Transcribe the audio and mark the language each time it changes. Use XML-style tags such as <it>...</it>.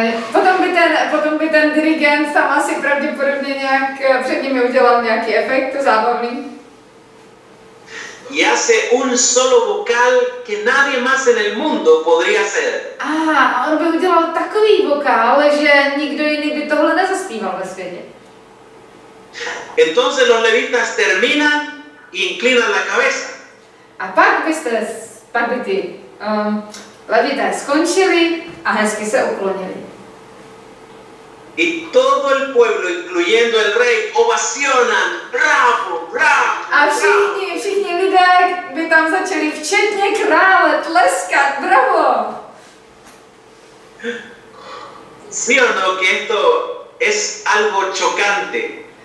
<cs>Potom by ten dirigent tam asi pravděpodobně nějak před nimi udělal nějaký efekt zábavný.</cs> <es>Y hace un solo vocal que nadie más en el mundo podría hacer.</es> <cs>Ah, on by udělal takový vokál, že nikdo jiný by tohle nezaspíval ve světě.</cs> <es>Entonces los levitas terminan e inclinan la cabeza.</es> <cs>A pak by ty levité skončili a hezky se uklonili.</cs> <es>Y todo el pueblo, incluyendo el rey, ovacionan. Bravo, bravo, bravo.</es> <cs>A všichni lidé by tam začali, včetně krále, tleskat.</cs> <es>Bravo. Sí o no, que esto es algo chocante.</es>